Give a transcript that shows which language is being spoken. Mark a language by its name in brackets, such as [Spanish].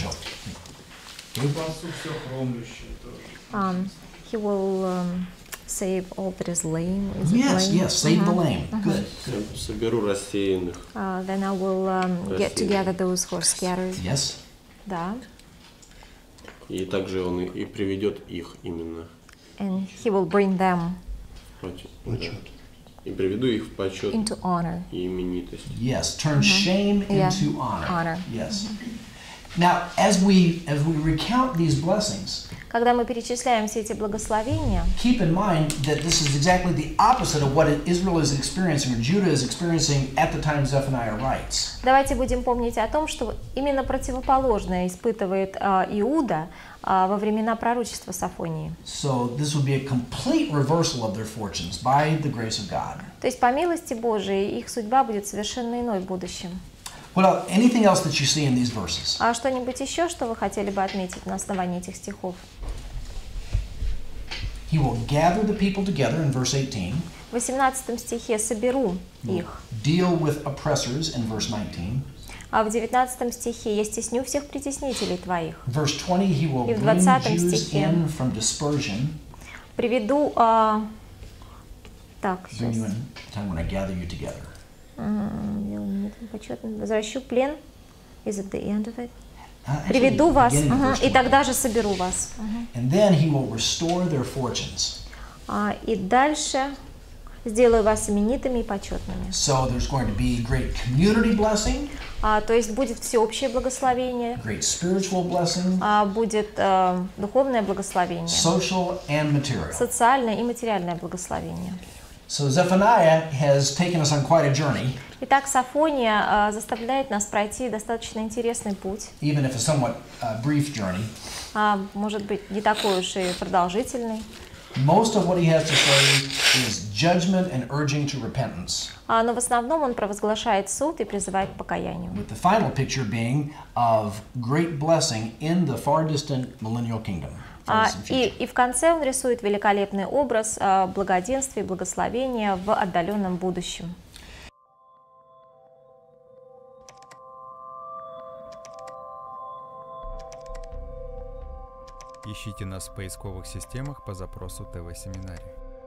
[English] Sure. He will save all that is lame. Is yes, lame? Yes, save the lame. Good. [Russian] Соберу рассеянных. [English] Then I will get together those who are scattered. Yes. [Russian] Да. И также он и приведет их именно. [English] And he will bring them. [Russian] Почет. И приведу их в почет. [English] Into honor. [Russian] И именитость. [English] Yes, turn mm-hmm. shame into yeah. honor. Honor. Yes. Mm-hmm. Now, as we recount these blessings. [Russian] Когда мы перечисляем все эти благословения. [English] Keep in mind that this is exactly the opposite of what Israel is experiencing or Judah is experiencing at the time Zephaniah writes. [Russian] Давайте будем помнить о том, что именно противоположное испытывает Иуда во времена пророчества Сафонии. [English] So this would be a complete reversal of their fortunes by the grace of God. [Russian] То есть по милости Божией их судьба будет совершенно иной в будущем. [English] Well, anything else that you see in these verses? [Russian] А что-нибудь еще, что вы хотели бы отметить на основании этих стихов? [English] He will gather the people together in verse 18. [Russian] В 18 стихе соберу их. [English] Deal with oppressors in verse 19. [Russian] А в 19 стихе я стесню всех притеснителей твоих. [English] Verse 20, he will bring Jews in from dispersion. [Russian] Приведу, так, [English] bring you in the time when I gather you together. [Russian] Возвращу плен. [English] Is it the end of it? [Russian] Приведу вас, и тогда же соберу вас. [English] And then he will restore their fortunes. [Russian] И дальше сделаю вас именитыми и почетными. [English] So there's going to be great community blessing. [Russian] То есть будет всеобщее благословение. [English] Great spiritual blessing. [Russian] Будет духовное благословение. [English] Social and material. [Russian] Социальное и материальное благословение. [English] So Zephaniah has taken us on quite a journey. [Russian] Итак, Сафония заставляет нас пройти достаточно интересный путь. [English] Even if a somewhat brief journey. [Russian] Может быть, не такой уж и продолжительный. [English] Most of what he has to say is judgment and urging to repentance. [Russian] Но в основном он провозглашает суд и призывает к покаянию. [English] With the final picture being of great blessing in the far distant millennial kingdom. [Russian] И в конце он рисует великолепный образ благоденствия и благословения в отдаленном будущем. Ищите нас в поисковых системах по запросу ТВ-семинария.